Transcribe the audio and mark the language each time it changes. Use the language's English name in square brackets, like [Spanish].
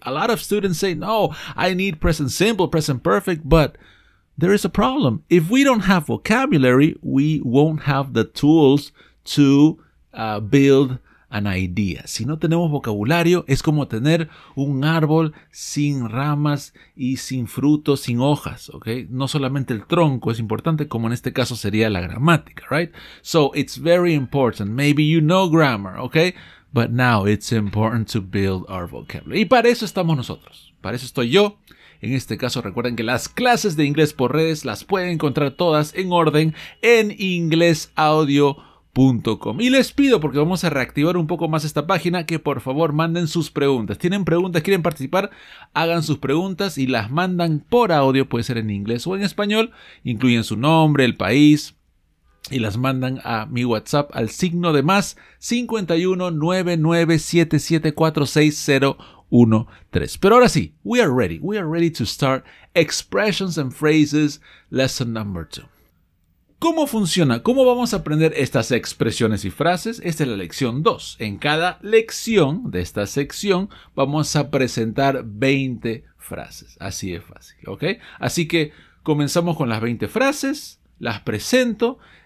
[English] A lot of students say, no, I need present simple, present perfect, but there is a problem. If we don't have vocabulary, we won't have the tools to build an idea. [Spanish] Si no tenemos vocabulario, es como tener un árbol sin ramas y sin frutos, sin hojas, okay? No solamente el tronco es importante, como en este caso sería la gramática, right? [English] So it's very important. Maybe you know grammar, okay? But now it's important to build our vocabulary. [Spanish] Y para eso estamos nosotros. Para eso estoy yo. En este caso, recuerden que las clases de inglés por redes las pueden encontrar todas en orden en inglesaudio.com. Y les pido, porque vamos a reactivar un poco más esta página, que por favor manden sus preguntas. ¿Tienen preguntas? ¿Quieren participar? Hagan sus preguntas y las mandan por audio. Puede ser en inglés o en español. Incluyen su nombre, el país, y las mandan a mi WhatsApp al signo de más 51 99 77 46 0 1 3. Pero ahora sí, [English] we are ready. We are ready to start expressions and phrases lesson number 2. [Spanish] ¿Cómo funciona? ¿Cómo vamos a aprender estas expresiones y frases? Esta es la lección 2. En cada lección de esta sección vamos a presentar 20 frases. Así de fácil, ¿ok? Así que comenzamos con las 20 frases. Las presento.